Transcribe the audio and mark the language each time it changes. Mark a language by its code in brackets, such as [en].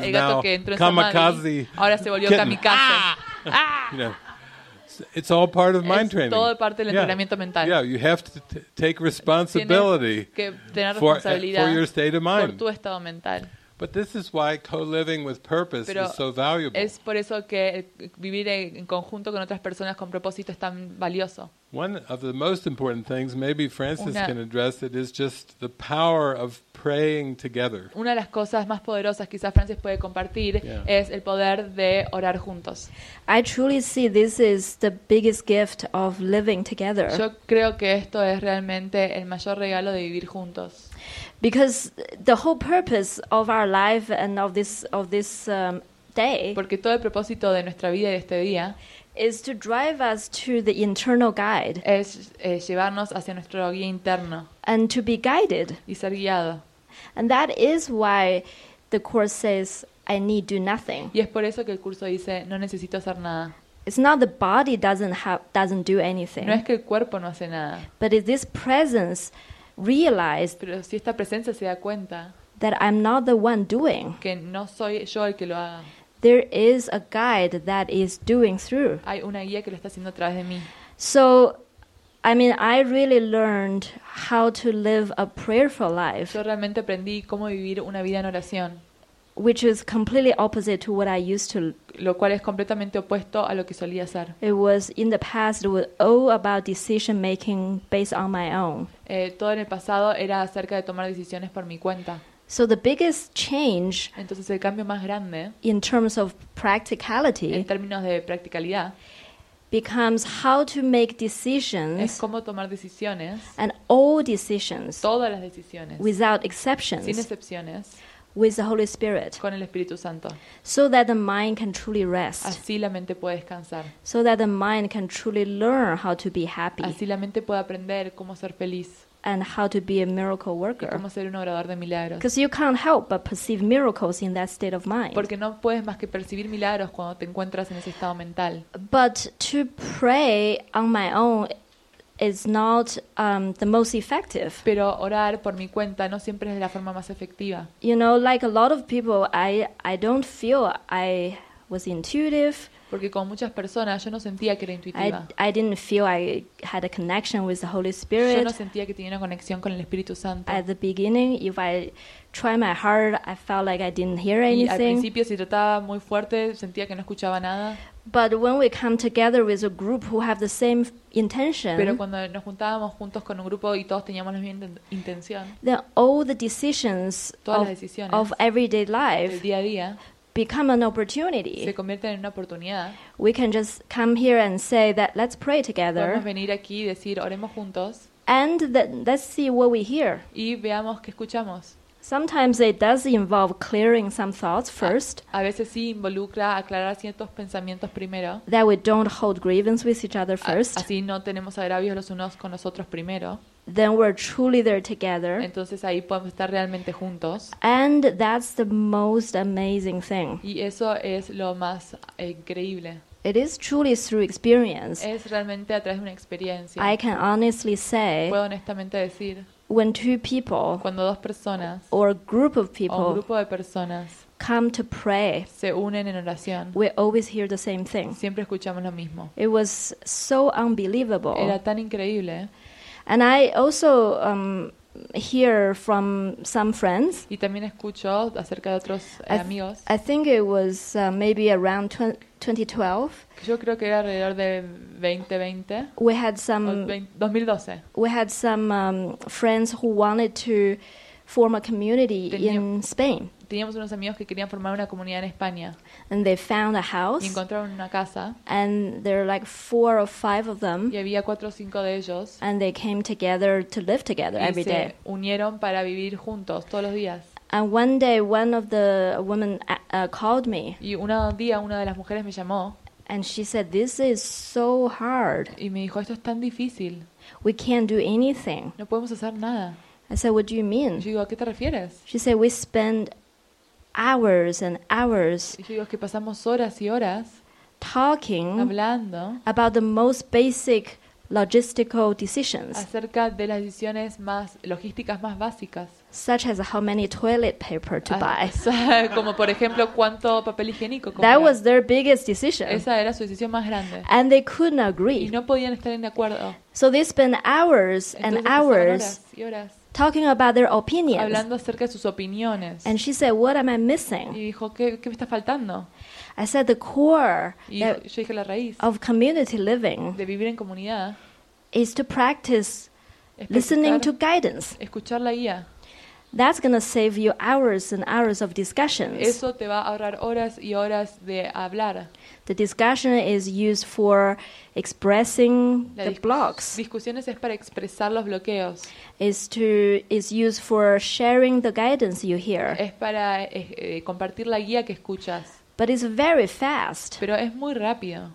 [en] is now kamikaze. [es] Ahora se volvió [en] kitten. Kamikaze. Ah! You know, it's all part of mind training. [es] Es todo parte del entrenamiento mental. [en] Yeah, you have to take responsibility for your state of mind. [es] Por tu estado mental. [en] But this is why co-living with purpose [es] pero [en] is so valuable. [es] Es por eso que vivir en conjunto con otras personas con propósito es tan valioso. [en] One of the most important things, maybe Francis can address it, is just the power of praying together. [es] Una de las cosas más poderosas quizás Francis puede compartir es el poder de orar juntos. [en] I truly see this is the biggest gift of living together. [es] Yo creo que esto es realmente el mayor regalo de vivir juntos. [en] Because the whole purpose of our life and of this day, [es] porque todo el propósito de nuestra vida y de este día, [en] is to drive us to the internal guide, [es] es llevarnos hacia nuestro guía interno, [en] and to be guided, [es] y ser guiado, [en] and that is why the course says I need do nothing. [es] Y es por eso que el curso dice no necesito hacer nada. [en] It's not the body doesn't do anything. [es] No es que el cuerpo no hace nada. [en] But is this presence realized? [es] Pero si esta presencia se da cuenta [en] that I'm not the one doing. [es] Que no soy yo el que lo haga. [en] There is a guide that is doing through. [es] Hay una guía que lo está haciendo a través de mí. [en] So, I mean, I really learned how to live a prayerful life. [es] Yo realmente aprendí cómo vivir una vida en oración. [en] Which is completely opposite to what I used to. [es] Lo cual es completamente opuesto a lo que solía hacer. [en] It was in the past. It was all about decision making based on my own. [es] Todo en el pasado era acerca de tomar decisiones por mi cuenta. [en] So the biggest change. [es] Entonces el cambio más grande. [en] In terms of practicality. [es] En términos de practicalidad. [en] Becomes how to make decisions. [es] Es cómo tomar decisiones. [en] And all decisions. [es] Todas las decisiones. [en] Without exceptions. [es] Sin excepciones. [en] With the Holy Spirit, [es] con el Espíritu Santo, [en] so that the mind can truly rest, [es] así la mente puede descansar, [en] so that the mind can truly learn how to be happy, [es] así la mente puede aprender cómo ser feliz, [en] and how to be a miracle worker, [es] y cómo ser un obrador de milagros, [en] because you can't help but perceive miracles in that state of mind, [es] porque no puedes más que percibir milagros cuando te encuentras en ese estado mental. [en] But to pray on my own is not the most effective. [es] Pero orar por mi cuenta no siempre es la forma más efectiva. [en] You know, like a lot of people, I don't feel I was intuitive. [es] Porque como muchas personas, yo no sentía que era intuitiva. [en] I didn't feel I had a connection with the Holy Spirit. [es] Yo no sentía que tenía una conexión con el Espíritu Santo. [en] At the beginning, if I tried my hard, I felt like I didn't hear anything. [es] Y al principio, si trataba muy fuerte, sentía que no escuchaba nada. [en] But when we come together with a group who have the same intention, [es] pero cuando nos juntábamos juntos con un grupo y todos teníamos la misma intención, [en] then all the decisions, [es] todas las decisiones [en] of everyday life, [es] del día a día, [en] become an opportunity. [es] Se convierten en una oportunidad. [en] We can just come here and say that let's pray together. [es] Podemos venir aquí y decir oremos juntos. [en] And let's see what we hear. [es] Y veamos qué escuchamos. [en] Sometimes it does involve clearing some thoughts first. [es] A veces sí involucra aclarar ciertos pensamientos primero. [en] That we don't hold grievance with each other first. [es] Así no tenemos agravios los unos con los otros primero. [en] Then we're truly there together. [es] Entonces ahí podemos estar realmente juntos. [en] And that's the most amazing thing. [es] Y eso es lo más increíble. [en] It is truly through experience. [es] Es realmente a través de una experiencia. [en] I can honestly say. [es] Puedo honestamente decir. [en] When two people, [es] cuando dos personas, [en] or a group of people, [es] o un grupo de personas, [en] come to pray, [es] se unen en oración, [en] we always hear the same thing. [es] Siempre escuchamos lo mismo. [en] It was so unbelievable. [es] Era tan increíble. [en] And I also hear from some friends. [es] Y también escucho acerca de otros amigos. [en] I think it was maybe around 2012. [es] Yo creo que era alrededor de 2020. [en] We had some 2012. We had some friends who wanted to form a community in Spain. [es] Teníamos unos amigos que querían formar una comunidad en España. [en] And they found a house. [es] Y encontraron una casa. [en] And there were like four or five of them. [es] Y había cuatro o cinco de ellos. [en] And they came together to live together [es] y [en] every day. [es] Y se unieron para vivir juntos todos los días. [en] And one day, one of the women called me. [es] Y un día, una de las mujeres me llamó. [en] And she said, "This is so hard." [es] Y me dijo, "Esto es tan difícil." [en] We can't do anything. [es] No podemos hacer nada. [en] I said, "What do you mean?" [es] Yo digo, ¿a qué te refieres? [en] She said, "We spend hours and hours." [es] Y yo digo, que pasamos horas y horas [en] talking, [es] hablando [en] about the most basic logistical decisions. [es] Acerca de las decisiones más logísticas más básicas. [en] Such as how many toilet paper to buy. [es] Como por ejemplo, cuánto papel higiénico comprar. [en] That was their biggest decision. [es] Esa era su decisión más grande. [en] And they couldn't agree. [es] Y no podían estar en acuerdo. [en] So they spent hours and hours talking about their opinions. [es] Hablando acerca de sus opiniones. [en] And she said, "What am I missing?" [es] Y dijo, ¿qué me está faltando? [en] I said, "The core [es] la raíz [en] of community living, [es] de vivir en comunidad, [en] is to practice listening to guidance. [es] Escuchar la guía. [en] That's going to save you hours and hours of discussions. [es] Eso te va a ahorrar horas y horas de hablar. [en] The discussion is used for expressing the blocks. [es] Discusiones es para expresar los bloqueos. [en] Is used for sharing the guidance you hear. [es] Es para compartir la guía que escuchas. [en] But it's very fast. [es] Pero es muy rápido.